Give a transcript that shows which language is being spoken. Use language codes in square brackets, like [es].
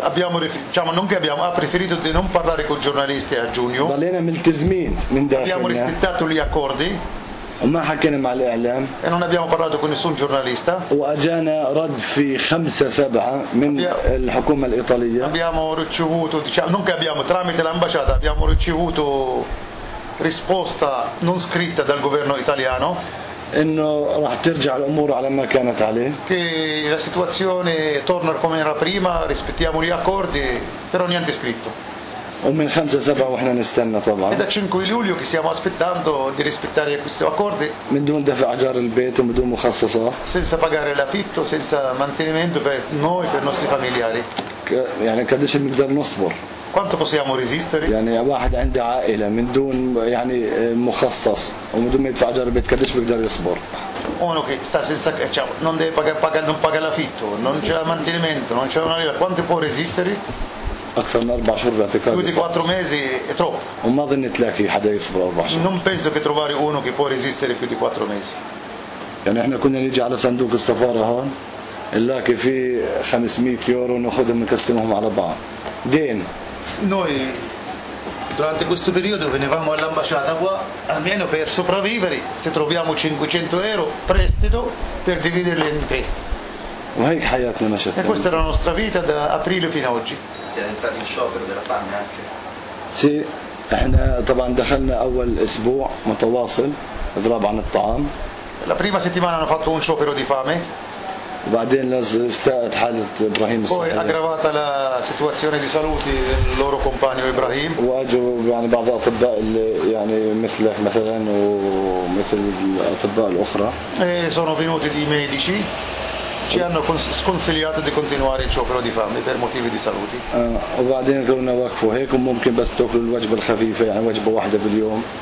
[it] Abbiamo preferito di non parlare con i giornalisti a giugno. Abbiamo rispettato gli accordi. [ar] وما حكينا مع الإعلام. [it] E non abbiamo parlato con nessun giornalista. [ar] وأجانا رد في 5-7 من الحكومة الإيطالية. [it] Abbiamo ricevuto, diciamo, non che abbiamo, tramite l'ambasciata abbiamo ricevuto risposta non scritta dal governo italiano. [ar] انه راح ترجع الامور على ما كانت عليه. [it] Che la situazione torna come era prima, rispettiamo gli accordi, però niente scritto. [ar] ومن 5 7 واحنا نستنى طبعا. [it] Da 5 luglio che stiamo aspettando di rispettare questi accordi. [ar] من دون دفع اجار البيت ومن دون مخصصات. [it] Senza pagare l'affitto, senza mantenimento per noi, per i nostri familiari. [ar] يعني قديش بنقدر نصبر. [it] Quanto possiamo resistere? [ar] يعني واحد عنده عائلة من دون يعني مخصص ومن دون ما يدفع اجار البيت قديش بيقدر يصبر؟ [it] Uno che sta senza, cioè, non deve pagare, non paga l'affitto, non c'è mantenimento, non c'è una riva, quanto può resistere? [ar] أكثر من أربع شهور بعتقد. [it] Più di 4 mesi è troppo. [ar] وما ظن تلاقي حدا يصبر أربع شهور. [it] Non penso che trovare uno che può resistere più di 4 mesi. [ar] يعني احنا كنا نيجي على صندوق السفارة هون نلاقي في 500 يورو ناخذهم نقسمهم على بعض. دين. [it] Noi durante questo periodo venivamo all'ambasciata qua almeno per sopravvivere, se troviamo 500 euro prestito per dividerli in tre. [ar] وهيك حياتنا مشت. [it] E questa era la nostra vita da aprile fino ad oggi. Si è entrato in sciopero della fame anche. [ar] Sì, احنا طبعا دخلنا اول اسبوع متواصل اضراب عن الطعام. [it] La prima settimana hanno fatto un sciopero di fame. [ar] بعدين استاءت حالة إبراهيم. [it] Poi aggravata la situazione di salute del loro compagno Ibrahim. [ar] واجوا يعني بعض الأطباء اللي يعني مثل مثلا ومثل الأطباء الأخرى. [it] E sono venuti dei medici. Ci hanno sconsigliato di continuare il sciopero di fame per motivi di salute. [ar] وبعدين قلنا وقفوا هيك وممكن بس تاكلوا الوجبة الخفيفة يعني وجبة واحدة باليوم.